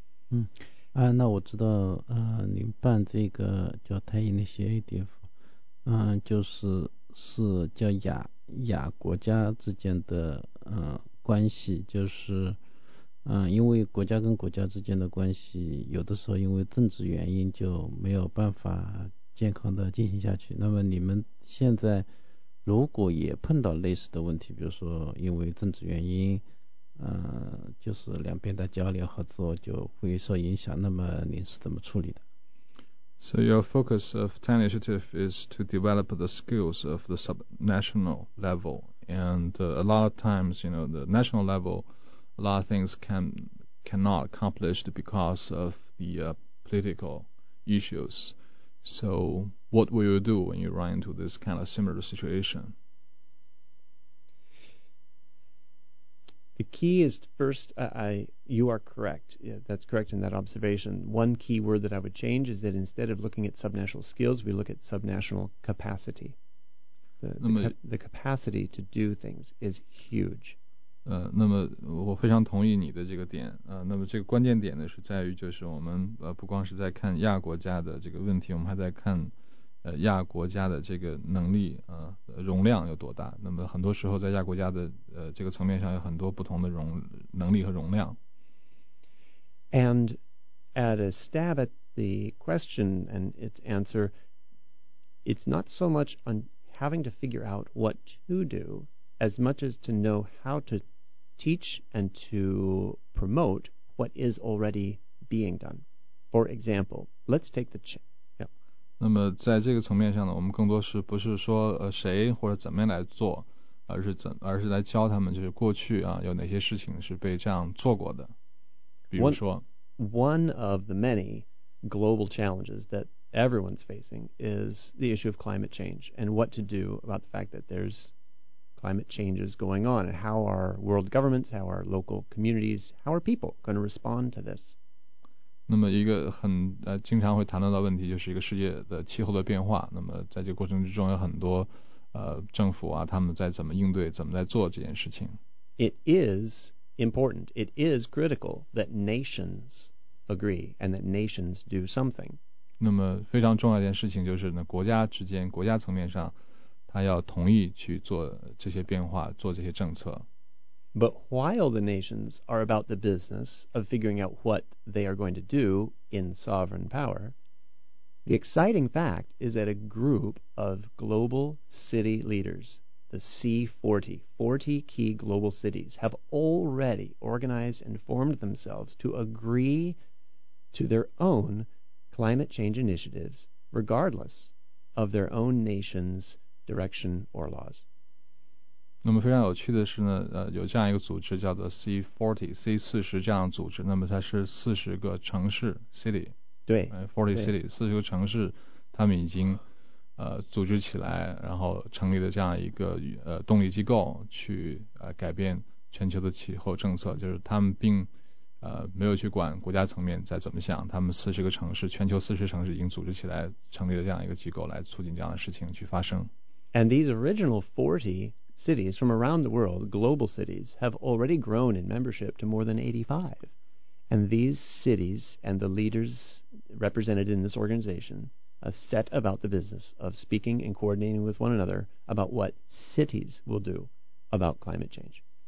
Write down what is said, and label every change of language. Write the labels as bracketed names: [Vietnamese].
[Chinese] 嗯，那我知道您办这个叫泰英的 CADF， 就是叫亚国家之间的关系，就是因为国家跟国家之间的关系有的时候因为政治原因就没有办法健康的进行下去。那么你们现在如果也碰到类似的问题，比如说因为政治原因就是两边的交流合作就会受影响，那么您是怎么处理的？ [English] So your focus of TAN initiative is to develop the skills of the subnational level, and a lot of times, you know, the national level, a lot of things cannot accomplish because of the political issues. So what will you do when you run into this kind of similar situation? The key is first, you are correct. Yeah, that's correct in that observation. One key word that I would change is that instead of looking at subnational skills, we look at subnational capacity. The capacity to do things is huge. [Chinese] 那么我非常同意你的这个点那么这个关键点呢是在于就是我们不光是在看亚国家的这个问题，我们还在看亚国家的这个能力容量有多大。那么很多时候在亚国家的这个层面上有很多不同的能力和容量。 [English] And at a stab at the question and its answer, it's not so much on having to figure out what to do as much as to know how to teach and to promote what is already being done. For example, let's take the chip. [Chinese] 那么在这个层面上呢，我们更多是不是说谁或者怎么样来做，而是来教他们就是过去啊有哪些事情是被这样做过的。比如说 [English] One of the many global challenges that everyone's facing is the issue of climate change and what to do about the fact that there's climate change is going on and how are world governments, how are local communities, how are people going to respond to this? [Chinese] 那么一个很经常会谈到的问题就是一个世界的气候的变化，那么在这个过程之中有很多政府啊，他们在怎么应对，怎么在做这件事情。 [English] It is important. It is critical that nations agree and that nations do something. [Chinese] 那么非常重要的一件事情就是呢，国家之间，国家层面上，他要同意去做这些变化，做这些政策。 [English] But while the nations are about the business of figuring out what they are going to do in sovereign power, the exciting fact is that a group of global city leaders, the C40, 40 key global cities, have already organized and formed themselves to agree to their own climate change initiatives, regardless of their own nation's direction or laws. [Chinese] 那么非常有趣的是呢，有这样一个组织叫做 C40 这样组织，那么它是40个城市 city，对 40 city 40个城市，他们已经组织起来，然后成立了这样一个动力机构去改变全球的气候政策，就是他们并没有去管国家层面在怎么想，他们40个城市，全球40城市已经组织起来成立了这样一个机构来促进这样的事情去发生。 [English] And these original 40 cities from around the world, global cities, have already grown in membership to more than 85. And these cities and the leaders represented in this organization are set about the business of speaking and coordinating with one another about what cities will do about climate change.